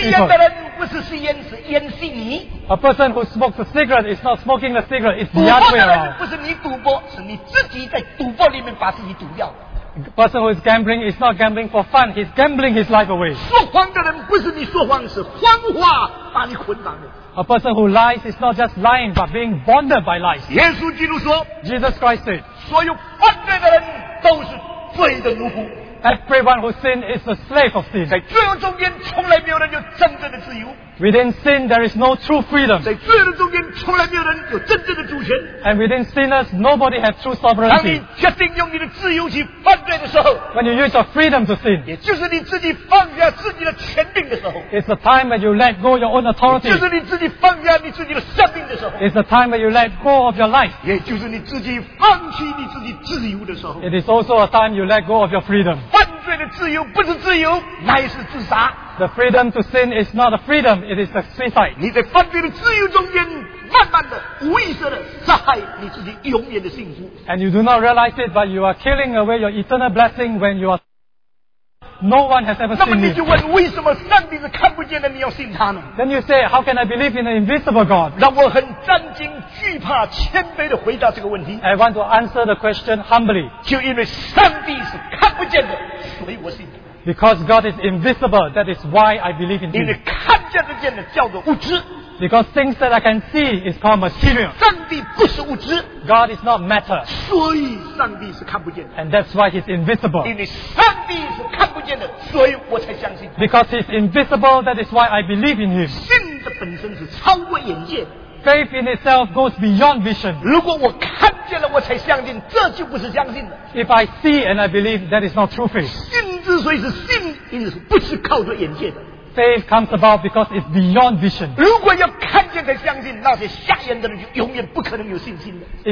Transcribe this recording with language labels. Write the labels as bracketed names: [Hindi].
[Chinese] 吸烟的人不是吸烟，是烟吸你。 [English] A person who smokes a cigarette is not smoking the cigarette. It's the other way around. [Chinese] 不是你赌博，是你自己在赌博里面把自己赌掉。 [English] A person who is gambling is not gambling for fun. He's gambling his life away. [Chinese] 说谎的人不是你说谎，是谎话把你捆绑了。 [English] A person who lies is not just lying, but being bonded by lies. [Chinese] 耶稣基督说， [English] Jesus Christ said, [Chinese] 所有犯罪的人都是罪的奴仆。 [English] Everyone who sin is a slave of sin. [Chinese] 在罪恶中间，从来没有人有真正的自由。 [English] Within sin, there is no true freedom. [Chinese] 在罪恶中间，从来没有人有真正的主权。 [English] And within sinners, nobody has true sovereignty. [Chinese] 当你决定用你的自由去犯罪的时候， [English] when you use your freedom to sin, [Chinese] 也就是你自己放下自己的权柄的时候， [English] it's the time when you let go your own authority. [Chinese] 也就是你自己放下你自己的生命的时候， [English] it's the time when you let go of your life. [Chinese] 也就是你自己放弃你自己自由的时候， [English] it is also a time you let go of your freedom. [Chinese] 犯罪的自由不是自由，乃是自杀。 [English] The freedom to sin is not a freedom, it is a suicide. [Chinese] 你在犯罪的自由中间，慢慢的、无意识的杀害你自己永远的幸福。 [English] And you do not realize it, but you are killing away your eternal blessing when you are. No one has ever seen you. [Chinese] 那么你就问，为什么上帝是看不见的？你要信他呢 [English] ？Then you say, how can I believe in an invisible God? [Chinese] 让我很战惊、惧怕、谦卑的回答这个问题。 [English] I want to answer the question humbly. [Chinese] 就因为上帝是看不见的，所以我信。 [English] Because God is invisible, that is why I believe in Him. [Chinese] 你看见的见的叫做物质。 [English] Because things that I can see is called material. [Chinese] 上帝不是物质。 [English] God is not matter. [Chinese] 所以上帝是看不见的。 [English] And that's why He's invisible. [Chinese] 因为上帝是看不见的，所以我才相信。 [English] Because He's invisible, that is why I believe in Him. [Chinese] 信的本身是超过眼界。 [English] Faith in itself goes beyond vision. [Chinese] 如果我看见了我才相信，这就不是相信的。 [English] If I see and I believe, that is not true faith. [Chinese] 信之所以是信，因为不是靠着眼界的。 [English] Faith comes about because it's beyond vision. [Chinese] 如果要看见才相信，那些瞎眼的人就永远不可能有信心的。